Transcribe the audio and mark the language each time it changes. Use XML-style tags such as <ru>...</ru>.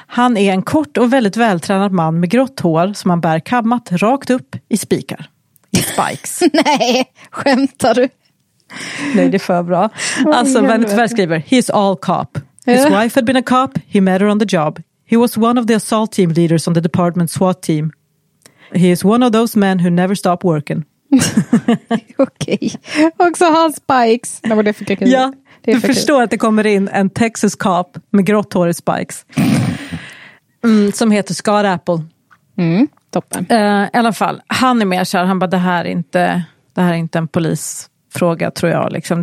<sv>Han är en kort och väldigt vältränad man med grått hår som han bär kammat rakt upp i spikar.</sv> <en>I spikes.</en> <sv>Nej, skämtar du? Nej, det är för bra. Alltså, väldigt väl skriver,</sv> <en>he's all cop. His wife had been a cop, he met her on the job. He was one of the assault team leaders on the department SWAT team. He is one of those men who never stop working.</en> <sv>Okej. Också hans spikes. Nej, men det fick jag. Ja. Du förstår att det kommer in en Texas cop med grått hår i spikes. Mm, som heter Scott Apple. Mm, toppen. I alla fall, han är mer så här, han bara, det här är inte en polisfråga, tror jag. Liksom.</sv>